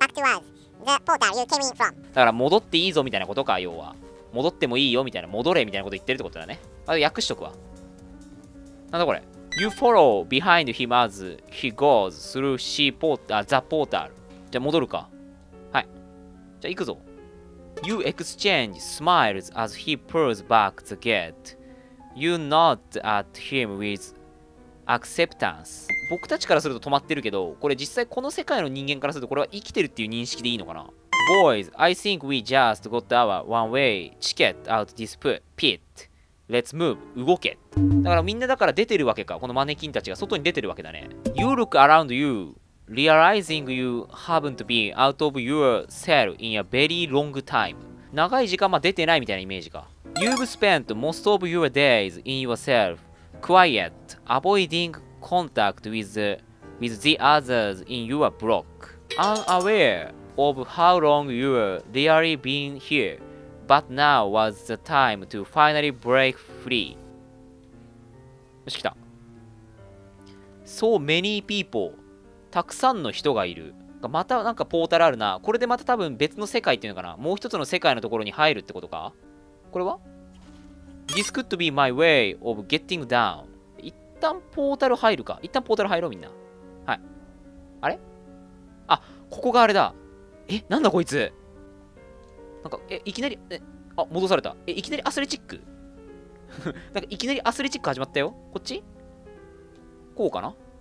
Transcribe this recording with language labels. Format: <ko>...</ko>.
<ja>だから戻っていいぞみたいなことか、要は。戻ってもいいよみたいな、戻れみたいなこと言ってるってことだね。あと訳しとくわ。なんだこれ。</ja> <en>You follow behind him as he goes through the portal.</en> <ja>じゃあ戻るか。はい。じゃあ行くぞ。</ja> <en>You exchange smiles as he pulls back the gate. You nod at him with acceptance.</en> <ja>僕たちからすると止まってるけど、これ実際この世界の人間からするとこれは生きてるっていう認識でいいのかな。</ja> <en>Boys, I think we just got our one-way ticket out this pit. Let's move. 動け。</en> <ja>だからみんなだから出てるわけか。このマネキンたちが外に出てるわけだね。</ja> <en>You look around you. Realizing you haven't been out of your cell in a very long time.</en> <ja>長い時間、まあ、出てないみたいなイメージか。</ja> <en>You've spent most of your days in yourself, quiet, avoiding contact with the others in your block. Unaware of how long you've really been here, but now was the time to finally break free.</en> <ja>よし、来た。 So many people. たくさんの人がいる。またなんかポータルあるな。これでまた多分別の世界っていうのかな。もう一つの世界のところに入るってことか。</ja> <en>これは ?This could be my way of getting down.</en> <ja>一旦ポータル入るか。一旦ポータル入ろうみんな。はい。あれ?あ、ここがあれだ。え、なんだこいつ。なんか、え、いきなり、え、あ、戻された。え、いきなりアスレチックなんかいきなりアスレチック始まったよ。こっち?こうかな?</ja>